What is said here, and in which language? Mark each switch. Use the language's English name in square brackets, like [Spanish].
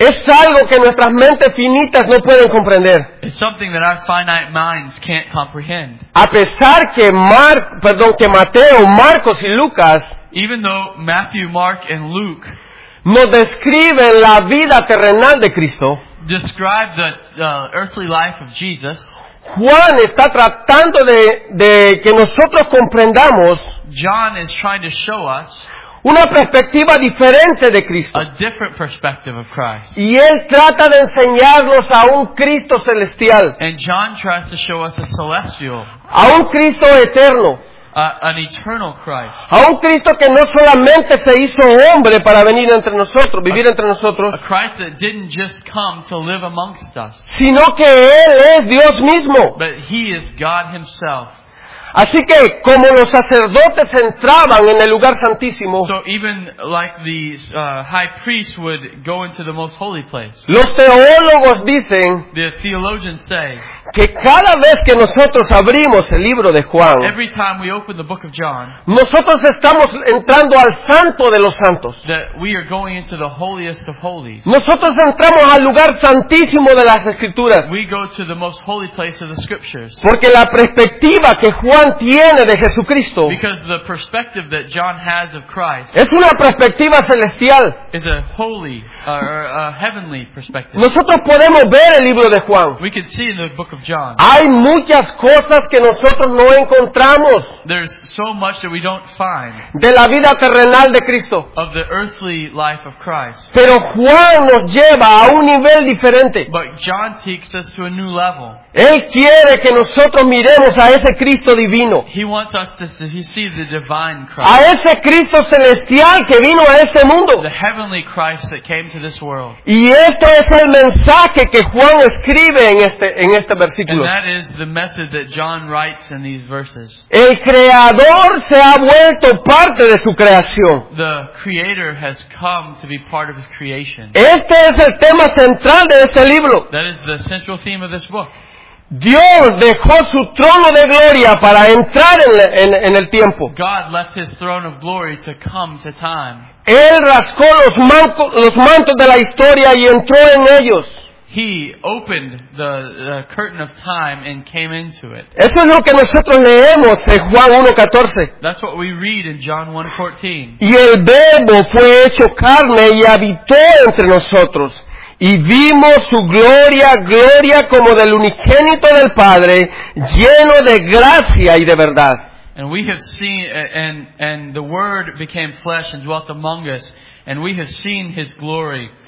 [Spanish] es algo que nuestras mentes finitas no pueden comprender. [English] It's something that our finite minds can't comprehend. [Spanish] A pesar que Mateo, Marcos y Lucas [English] even though Matthew, Mark and Luke [Spanish] nos describen la vida terrenal de Cristo, [English] describe the earthly life of Jesus, [Spanish] Juan está tratando de que nosotros comprendamos [English] John is trying to show us [Spanish] una perspectiva diferente de Cristo. [English] A different perspective of Christ. [Spanish] Y él trata de enseñarnos a un Cristo celestial. [English] And John tries to show us a celestial. [Spanish] A un Cristo eterno. [English] An eternal Christ. [Spanish] A un Cristo que no solamente se hizo hombre para venir entre nosotros, vivir entre nosotros. [English] A Christ that didn't just come to live amongst us. [Spanish] Sino que él es Dios mismo. [English] But he is God himself. [Spanish] Así que, como los sacerdotes entraban en el lugar santísimo, [English] so even like the high priest would go into the most holy place, [Spanish] los teólogos dicen, [English] the theologians say, [Spanish] que cada vez que nosotros abrimos el libro de Juan, [English] every time we open the book of John, [Spanish] nosotros estamos entrando al santo de los santos. [English] That we are going into the holiest of holies. [Spanish] Nosotros entramos al lugar santísimo de las Escrituras. [English] We go to the most holy place of the Scriptures. [Spanish] Porque la perspectiva que Juan tiene de Jesucristo, [English] because the perspective that John has of Christ, [Spanish] es una perspectiva celestial. [English] Is a holy, a heavenly perspective. [Spanish] Nosotros podemos ver el libro de Juan. [English] We can see in the book of John. [Spanish] Hay muchas cosas que nosotros no encontramos. [English] There's so much that we don't find. [Spanish] De la vida terrenal de Cristo. [English] Of the earthly life of Christ. [Spanish] Pero Juan nos lleva a un nivel diferente. [English] But John takes us to a new level. [Spanish] Él quiere que nosotros miremos a ese Cristo divino. [English] He wants us to see the divine Christ. [Spanish] A ese Cristo celestial que vino a este mundo. [English] The heavenly Christ that came to this world. [Spanish] Y este es el mensaje que Juan escribe en este versículo. [English] And that is the message that John writes in these verses. [Spanish] El Creador se ha vuelto parte de su creación. [English] The Creator has come to be part of his creation. [Spanish] Este es el tema central de este libro. [English] That is the central theme of this book. [Spanish] Dios dejó su trono de gloria para entrar en el tiempo. [English] God left his throne of glory to come to time. [Spanish] Él rascó los mantos de la historia y entró en ellos. [English] He opened the curtain of time and came into it. [Spanish] Eso es lo que nosotros leemos en Juan 1:14. [English] That's what we read in John 1:14. [Spanish] Y el Verbo fue hecho carne y habitó entre nosotros. Y vimos su gloria, gloria como del unigénito del Padre, lleno de gracia y de verdad. [English] And we have seen, and the Word became flesh and dwelt among us, and we have seen his glory.